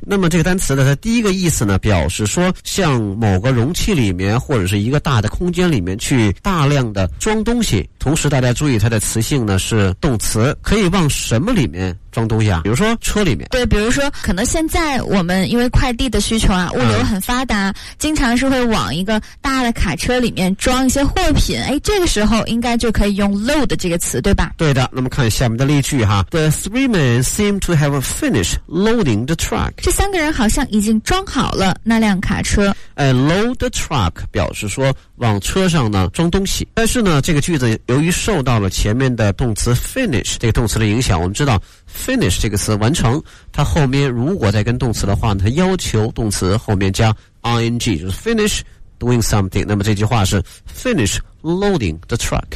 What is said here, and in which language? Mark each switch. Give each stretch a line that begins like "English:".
Chinese: 那么这个单词的它第一个意思呢表示说像某个容器里面或者是一个大的空间里面去大量的装东西，同时大家注意它的词性呢是动词，可以往什么里面装东西啊，比如说车里面，对，比如说可能现在我们因为快递的需求啊，物流很发达、经常是会往一个大的卡车里面装一些货品，哎，这个时候应该就可以用 load 这个词，对吧？对的。那么看下面的例句哈，
English: The three men seem to have finished loading the truck，
Chinese: 这三个人好像已经装好了那辆卡车。哎，
English: load the truck
Chinese: 表示说往车上呢装东西，但是呢这个句子由于受到了前面的动词 finish 这个动词的影响，我们知道finish 这个词完成，它后面如果再跟动词的话呢，它要求动词后面加 ing， 就是
English: finish doing something，
Chinese: 那么这句话是
English: finish loading the truck。